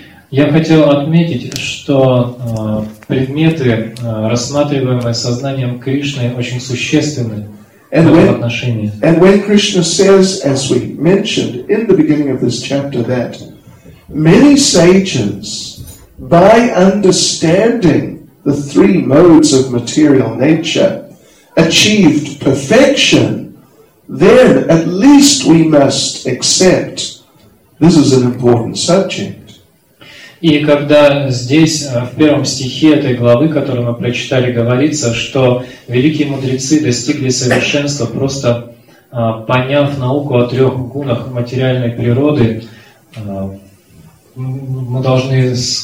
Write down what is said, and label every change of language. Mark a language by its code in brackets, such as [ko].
[ru] Я хотел отметить, что предметы, рассматриваемые сознанием Кришны, очень существенны [en] and [ru] в этом отношении. [en] And when Krishna says, as we mentioned in the beginning of this chapter, that many sages, by understanding the 3 modes of material nature, achieved perfection, then at least we must accept this is an important subject. [ru] И когда здесь, в первом стихе этой главы, которую мы прочитали, говорится, что великие мудрецы достигли совершенства, просто поняв науку о 3 гунах материальной природы, мы должны